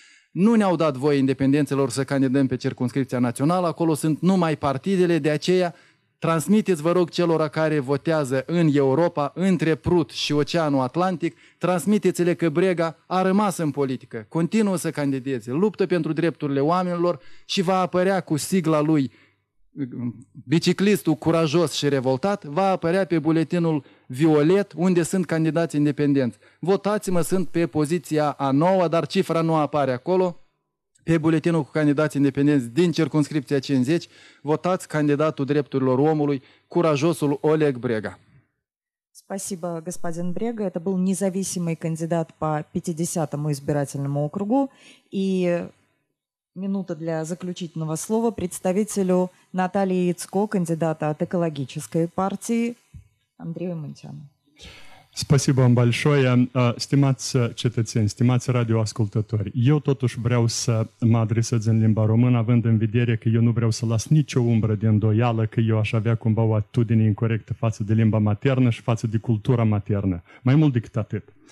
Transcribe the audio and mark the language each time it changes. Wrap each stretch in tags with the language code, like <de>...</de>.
<ro>Nu ne-au dat voie independenților să candidăm pe circunscripția națională, acolo sunt numai partidele, de aceea transmiteți, vă rog, celor care votează în Europa, între Prut și Oceanul Atlantic, transmiteți-le că Brega a rămas în politică, continuă să candideze, luptă pentru drepturile oamenilor și va apărea cu sigla lui biciclistul curajos și revoltat, va apărea pe buletinul violet, unde sunt candidați independenți. Votați-mă, sunt pe poziția a noua, dar cifra nu apare acolo. Pe buletinul cu candidați independenți din circunscripția 50, votați candidatul drepturilor omului, curajosul Oleg Brega.</ro> <ru>Спасибо, господин Брега. Это был независимый кандидат по 50-му избирательному округу. И минута для заключительного слова представителю Натальи Яцко, кандидата от экологической партии. Andrei Munteanu. Спасибо вам большое.</ru> <ro>Стимați cetățeni, стимați радиоascultători. Eu totuși vreau să mă adresez în limba română, având în vedere că eu nu vreau să las nicio umbră de îndoială că eu aș avea cumva o atitudine incorrectă față de limba maternă și față de cultura maternă. Mai mult decât atât.</ro>